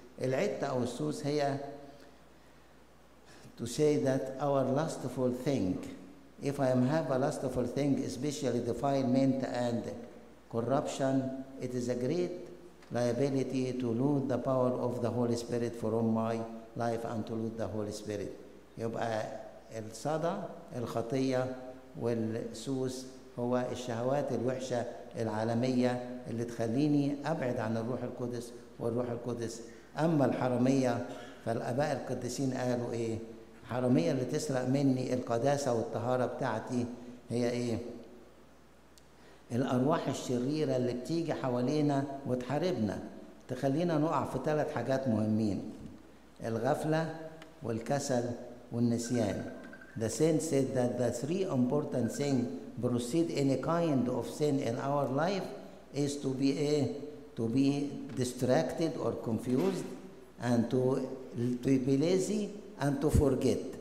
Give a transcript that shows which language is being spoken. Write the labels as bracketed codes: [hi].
[ar] العته او السوس هي [en] to say that our lustful thing. If I have a lustful thing, especially defilement and corruption, it is a great liability to lose the power of the Holy Spirit from my life and to lose the Holy Spirit. [ar] يبقى الصدى الخطية والسوس هو الشهوات الوحشة العالمية اللي تخليني أبعد عن الروح القدس والروح القدس. أما الحرمية فالأباء القديسين قالوا الحرمية اللي تسرق مني القداسة والطهارة بتاعتي هي الأرواح الشريرة اللي بتيجي حوالينا وتحاربنا. تخلينا نقع في ثلاث حاجات مهمين: الغفلة والكسل والنسيان. [en] The saint said that the three important things proceed any kind of sin in our life is to be distracted or confused and to be lazy and to forget.